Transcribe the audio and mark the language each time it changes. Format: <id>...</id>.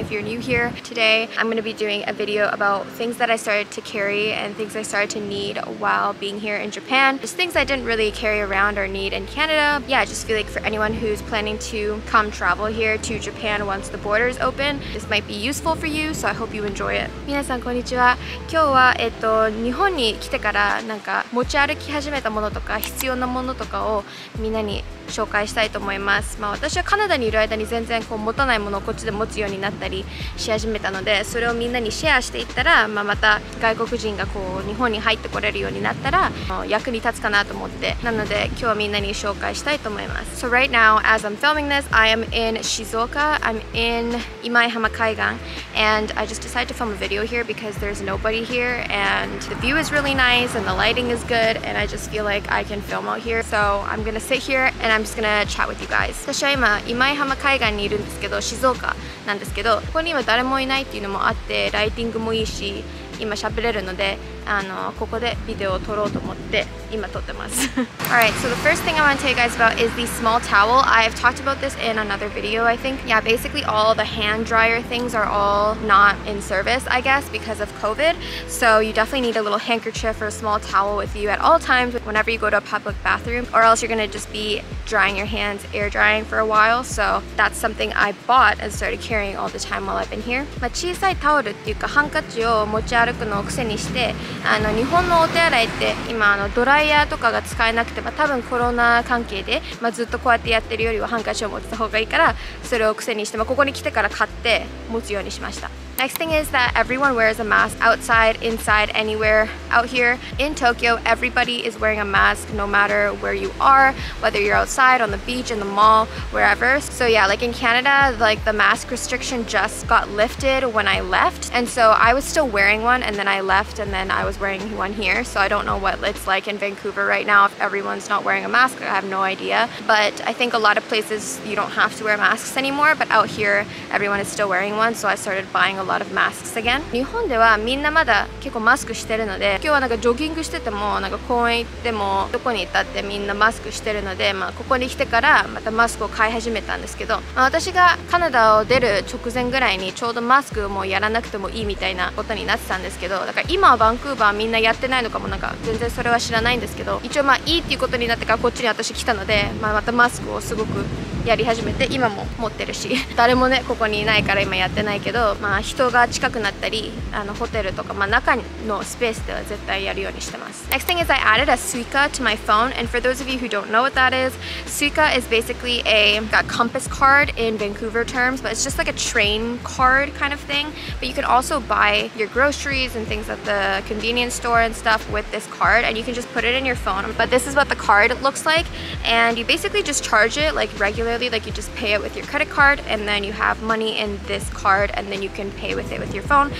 <en>If you're new here, today I'm going to be doing a video about things that I started to carry and things I started to need while being here in Japan. Just things I didn't really carry around or need in Canada. Yeah, I just feel like for anyone who's planning to come travel here to Japan once the borders open, this might be useful for you, so I hope you enjoy it.</en> <ja>皆さんこんにちは。今日は日本に来てからなんか持ち歩き始めたものとか必要なものとかをみんなに紹介したいと思います。まあ私はカナダにいる間に全然こう持たないものをこっちで持つようになったりし始めたので、それをみんなにシェアしていったら、まあまた外国人がこう日本に入ってこれるようになったら役に立つかなと思って、なので今日はみんなに紹介したいと思います。</ja> <en>So right now, as I'm filming this, I am in Shizuoka. I'm in 今井浜海岸 and I just decided to film a video here because there's nobody here and the view is really nice and the lighting is good and I just feel like I can film out here. So I'm gonna sit here and I'm just gonna chat with you guys.</en> <ja>私は今今井浜海岸にいるんですけど、静岡なんですけど、ここに今誰もいないっていうのもあって、ライティングもいいし、今喋れるので、ここでビデオを撮ろうと思って今撮ってます。</ja> <en>Alright, so the first thing I want to tell you guys about is the small towel. I have talked about this in another video, I think. Yeah, basically all the hand dryer things are all not in service, I guess, because of COVID. So you definitely need a little handkerchief or a small towel with you at all times whenever you go to a public bathroom, or else you're gonna just be drying your hands, air drying for a while. So that's something I bought and started carrying all the time while I've been here.</en> <ja>まあ、小さいタオルっていうかハンカチを持ち歩くのを癖にして、日本のお手洗いって今ドライヤーとかが使えなくて、まあ、多分コロナ関係で、まあ、ずっとこうやってやってるよりはハンカチを持った方がいいから、それを癖にして、まあ、ここに来てから買って持つようにしました。</ja> <en>Next thing is that everyone wears a mask outside, inside, anywhere out here. In Tokyo, everybody is wearing a mask no matter where you are, whether you're outside, on the beach, in the mall, wherever. So yeah, like in Canada, like the mask restriction just got lifted when I left. And so I was still wearing one and then I left and then I was wearing one here. So I don't know what it's like in Vancouver right now if everyone's not wearing a mask. I have no idea. But I think a lot of places you don't have to wear masks anymore, but out here everyone is still wearing one. So I started buying a lot of masks again.</en> <ja>日本ではみんなまだ結構マスクしてるので、今日はなんかジョギングしてても、なんか公園行っても、どこに行ったってみんなマスクしてるので、まあ、ここに来てからまたマスクを買い始めたんですけど、まあ、私がカナダを出る直前ぐらいにちょうどマスクもやらなくてもいいみたいなことになってたんですけど、だから今はバンクーバーみんなやってないのかもなんか全然それは知らないんですけど、一応まあいいっていうことになってからこっちに私来たので、まあ、またマスクをすごくやり始めて今も持ってるし誰もねここにいないから今やってないけど、まあ、人が近くなったりホテルとか、まあ、中のスペースでは絶対やるようにしてます。</ja> <en>Next thing is I added a suica to my phone and for those of you who don't know what that is, suica is basically a compass card in Vancouver terms, but it's just like a train card kind of thing, but you can also buy your groceries and things at the convenience store and stuff with this card and you can just put it in your phone, but this is what the card looks like and you basically just charge it like regularLike you just pay it with your credit card and then you have money in this card and then you can pay with it with your phone.</en>